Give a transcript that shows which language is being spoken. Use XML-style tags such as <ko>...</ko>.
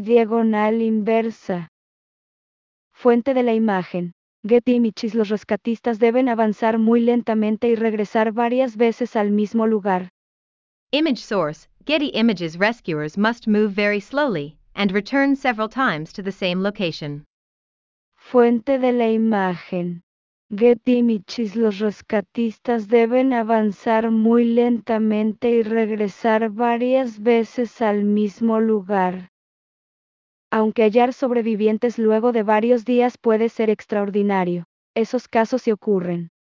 <es>Diagonal inversa. Fuente de la imagen. Getty Images. Los rescatistas deben avanzar muy lentamente y regresar varias veces al mismo lugar.</es> <en>Image source, Getty Images. Rescuers must move very slowly and return several times to the same location.</en> <es>Fuente de la imagen. Getty Images. Los rescatistas deben avanzar muy lentamente y regresar varias veces al mismo lugar. Aunque hallar sobrevivientes luego de varios días puede ser extraordinario, esos casos sí ocurren.</es>